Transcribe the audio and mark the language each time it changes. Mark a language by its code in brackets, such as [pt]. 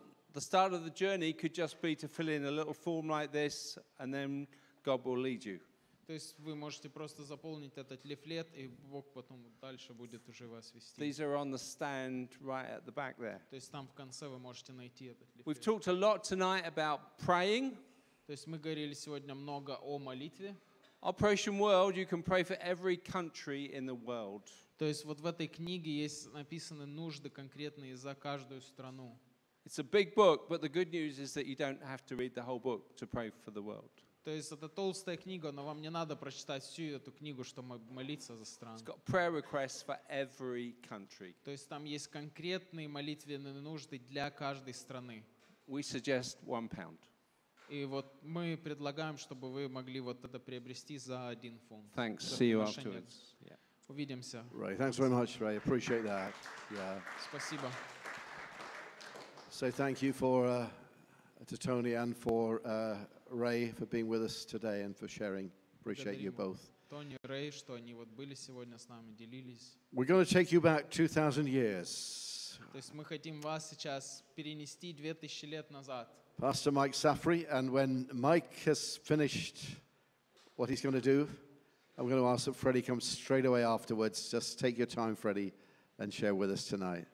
[en] The start of the journey could just be to fill in a little form like this, and then God will lead you. [ru] То есть вы можете просто заполнить этот лифлет, и Бог потом дальше будет уже вас вести. [en] These are on the stand right at the back there. [ru] То есть там в конце вы можете найти этот лифлет. [en] We've talked a lot tonight about praying. [ru] То есть мы говорили сегодня много о молитве. [en] Operation World, you can pray for every country in the world. [ru] То есть вот в этой книге есть написаны нужды конкретные за каждую страну. [en] It's a big book, but the good news is that you don't have to read the whole book to pray for the world. [ru] То есть это толстая книга, но вам не надо прочитать всю эту книгу, чтобы молиться за страну. [en] It's got prayer requests for every country. [ru] То есть там есть конкретные молитвенные нужды для каждой страны. [en] We suggest £1. [ru] И вот мы предлагаем, чтобы вы могли вот это приобрести за один фунт. [en] Thanks. See you afterwards. [ru] Увидимся. [en] Ray, thanks very much, Ray. Appreciate that. Yeah. [ru] Спасибо. [en] So thank you for to Tony and for Ray for being with us today and for sharing. Appreciate you both. [ru] Тони, Рэй, что они вот были сегодня с нами, делились. [en] We're going to take you back 2,000 years. [ru] То есть мы хотим вас сейчас перенести 2,000 лет назад. [en] Pastor Mike Safri, and when Mike has finished what he's going to do, I'm going to ask that Freddie come straight away afterwards. Just take your time, Freddie, and share with us tonight.